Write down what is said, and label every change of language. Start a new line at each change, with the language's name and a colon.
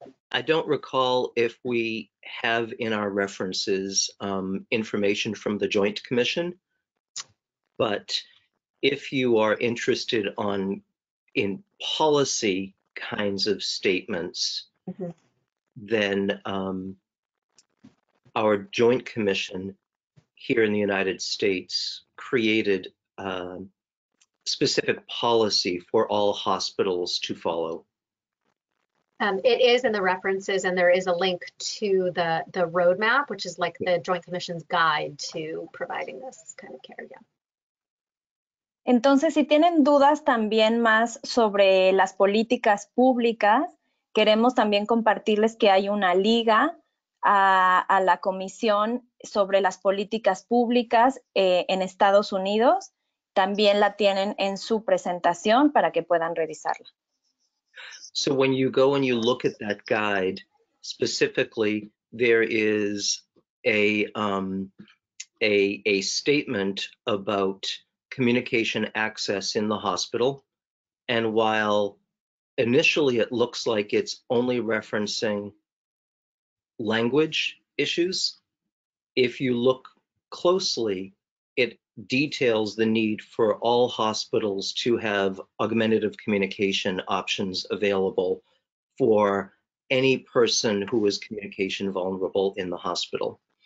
English: I don't recall if we have in our references information from the Joint Commission, but if you are interested on in policy kinds of statements, then our Joint Commission here in the United States created specific policy for all hospitals to follow. It is in the references, and there is a link to the roadmap, which is like the Joint Commission's guide to providing this kind of care. Yeah.
Spanish: Entonces, si tienen dudas también más sobre las políticas públicas, queremos también compartirles que hay una liga a la Comisión sobre las políticas públicas en Estados Unidos. También la tienen en su presentación para que puedan revisarla.
English: So when you go and you look at that guide, specifically, there is a statement about communication access in the hospital. And while initially it looks like it's only referencing language issues, if you look closely, it details the need for all hospitals to have augmentative communication options available for any person who is communication vulnerable in the hospital.